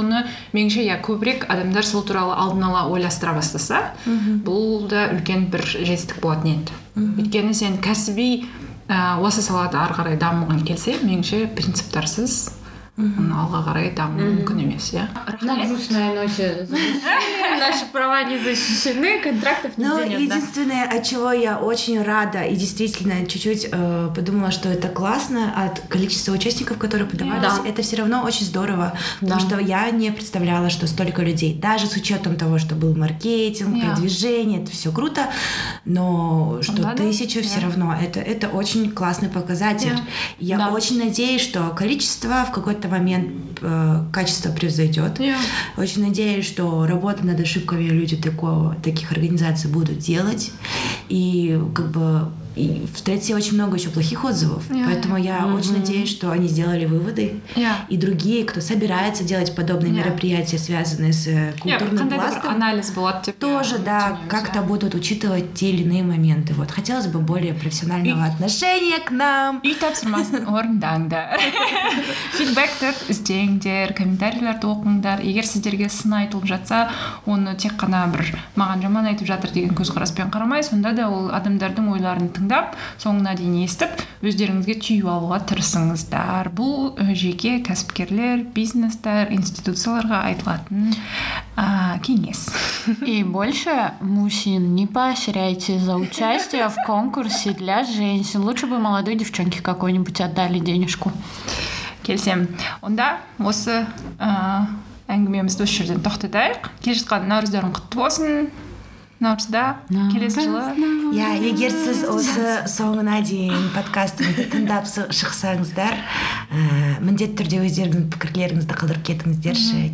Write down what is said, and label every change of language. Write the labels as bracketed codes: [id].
[kk] Соны меніңше көбірек адамдар сол туралы алдын ала ойластыра бастаса, бұл да үлкен бір жетістік болатын еді. Өйткені сен кәсіби осы салада ары қарай дамыған келсе, меніңше принциптарсыз алға қарай даму мүмкін емес, иә. [ru] На грустной ноте. Наши права не защищены, контрактов нигде нет. Но единственное, от чего я очень рада и действительно чуть-чуть подумала, что это классно, от количества участников, которые подавались, это все равно очень здорово, потому что я не представляла, что столько людей, даже с учетом того, что был маркетинг, продвижение, это все круто, но что тысячу все равно, это очень классный показатель. Я очень надеюсь, что количество в какой-то момент качество превзойдет. Очень надеюсь, что работа над ошибками люди таких организаций будут делать. И как бы и в Третье очень много еще плохих отзывов. Поэтому я очень надеюсь, что они сделали выводы. И другие, кто собирается делать подобные мероприятия, связанные с культурным пластом, анализ был от тебя, тоже, да, как-то будут учитывать те или иные моменты. Вот хотелось бы более профессионального отношения к нам. [kk] И так сурмасын орынданды. Фидбэк тұр, іздеңдер, комментарийлер тұлқыңдар. Егер сіздерге сын айтылып жатса, оны тек қана бір маған жаман айтып жатыр деген көзқараспен қарамай, сонда да ол адамдардың ойларын тыңдап, соңына дейін естіп, өздеріңізге түйіп алуға тырысыңыздар. Бұл жеке кәсіпкерлер, бизнестер, институцияларға айтылатын кеңес. [ru] И больше мужчин не поощряйте за участие в конкурсе для женщин. Лучше бы молодой девчонке какой-нибудь отдали денежку. [kk] Келсем. Онда осы әңгімемізді осы жерден тоқтатайық. Келе жатқан наурыздарың құтты болсын. Наурызда келесі жылы. Егер сіз осы соңына дейін подкастыңызды тыңдап шықсаңыздар, міндетті түрде өздеріңіздің пікірлеріңізді қалдырып кетіңіздерші.